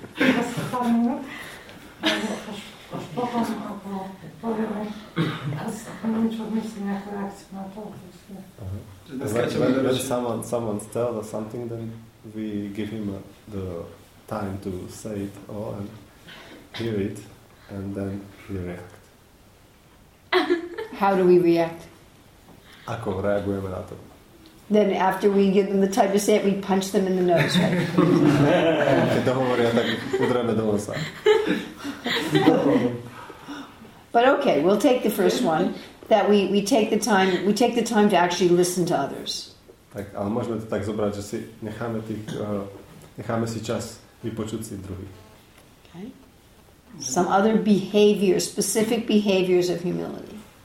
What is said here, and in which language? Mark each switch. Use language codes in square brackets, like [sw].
[sk] Až potom, ako povieme, niečo myslí, nejakú reakciu na to. [en] When someone tells us something, then we give him the time to say it all and hear it, and then we react. How do we react? [sk] Ako reagujeme na to? [en] Then after we give them the time to say it, we punch them in the nose, right? [sk] Keď dohovoria, tak udrieme do nosa. [en] But okay, we'll take the first one. That we take the time to actually listen to others. [sk] Tak, ale môžeme to tak zobrať, že si necháme si čas vypočuť si druhých. [en] Okay. Some other behaviors, specific behaviors of humility.